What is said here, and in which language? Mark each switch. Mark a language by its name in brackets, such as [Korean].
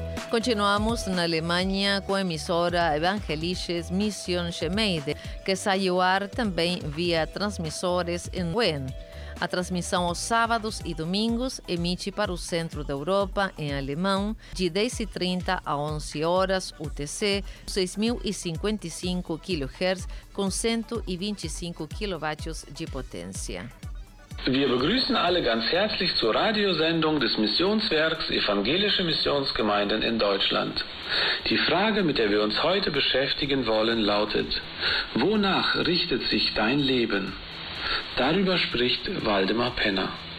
[Spanish] Continuamos en Alemania con emisora Evangelisches Mission Gemeinde, que está a llevar también vía transmisores en Wien. [Portuguese] A transmissão aos sábados e domingos emite para o centro da Europa, em alemão, de 10h30 a 11 horas UTC, 6055 kHz, com 125 kW de potência. [German] Wir begrüßen alle ganz herzlich zur Radiosendung des Missionswerks Evangelische Missionsgemeinden in Deutschland. Die Frage, mit der wir uns heute beschäftigen wollen, lautet: Wonach richtet sich dein Leben? Darüber spricht Waldemar Penner.